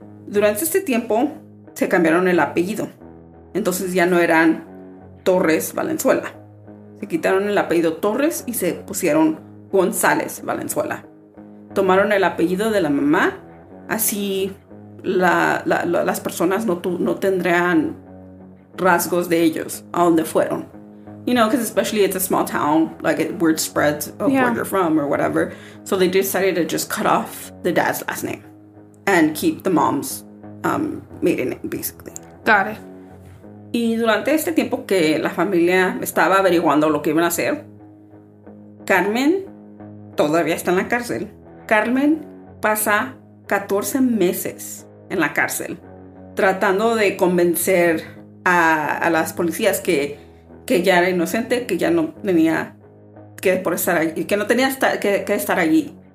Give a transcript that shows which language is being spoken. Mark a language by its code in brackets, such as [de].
[es] Durante este tiempo se cambiaron el apellido. Entonces ya no eran Torres Valenzuela. Se quitaron el apellido Torres y se pusieron Gonzalez Valenzuela. Tomaron el apellido de la mamá. Así las personas no tendrían rasgos de ellos a donde fueron. [en] You know, because especially it's a small town, like word spreads of yeah. where you're from or whatever. So they decided to just cut off the dad's last name and keep the mom's maiden name, basically. Got it. [es] Y durante este tiempo que la familia estaba averiguando lo que iban a hacer, Carmen todavía está en la cárcel. Carmen pasa 14 meses en la cárcel tratando de convencer a las policías que ya era inocente, que ya no tenía que por estar allí, que no tenía que estar allí.